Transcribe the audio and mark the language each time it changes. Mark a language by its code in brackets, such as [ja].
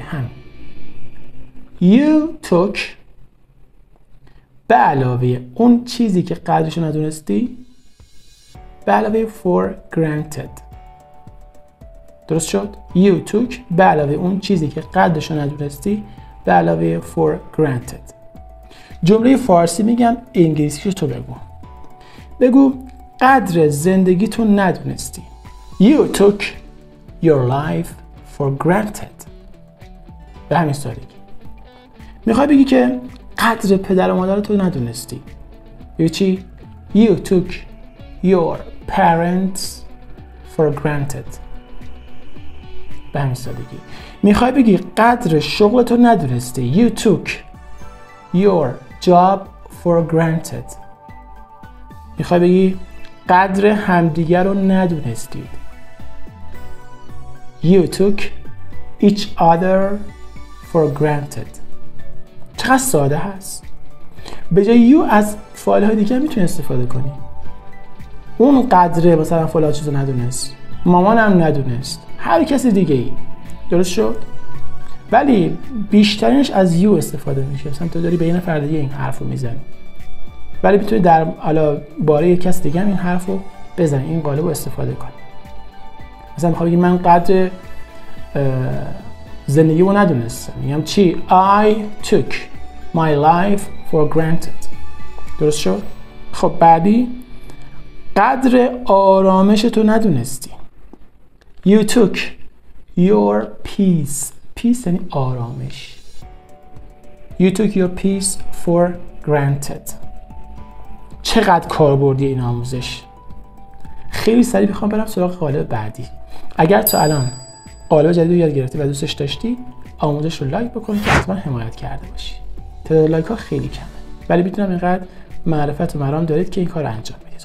[fa] هم [en] You took [fa] به علاوه اون چیزی که قدرشو ندونستی، به علاوه [en] for granted. [fa] درست شد؟ [en] You took [fa] به علاوه اون چیزی که قدرشو ندونستی، به علاوه [en] for granted. [fa] جمله فارسی میگم، انگلیسی رو تو بگو. بگو قدر زندگی تو ندونستی. [en] You took your life for granted. [fa] به همین سادگی. میخوای بگی که قدر پدر و مادر تو ندونستی. یه چی؟ [en] You took your parents for granted. [fa] به همین سادگی. میخوای بگی قدر شغل تو ندونستی. [en] You took your job for granted. [fa] میخوای بگی قدر همدیگر رو ندونستید. [en] You took each other for granted. [fa] چقدر ساده هست. به جای you از فعال های دیگر میتونی استفاده کنی. اون قدره مثلا فلان چیز رو ندونست، مامانم ندونست، هر کسی دیگه ای. درست شد؟ ولی بیشترینش از یو استفاده میشه، مثلا تو داری به یه نفر دیگه این حرف رو میزنی، ولی میتونی در حالا باره یک کس دیگه هم این حرف رو بزنی، این قالب رو استفاده کنی. مثلا میخوای بگی من قدر زندگی رو ندونستم، میگم چی؟ [en] I took my life for granted. [fa] درست شد؟ خب بعدی، قدر آرامش تو ندونستی. [en] You took your peace. [fa] Peace یعنی آرامش. [en] You took your peace for granted. [fa] چقدر کاربردی این آموزش. خیلی سریع میخوام برم سراغ قالب بعدی. اگر تو الان قالب جدید رو یاد گرفتی و دوستش داشتی، آموزش رو لایک بکن که حتما حمایت کرده باشی. تعداد لایک ها خیلی کمه، ولی میتونم اینقدر معرفت و مرام دارید که این کار رو انجام بدید.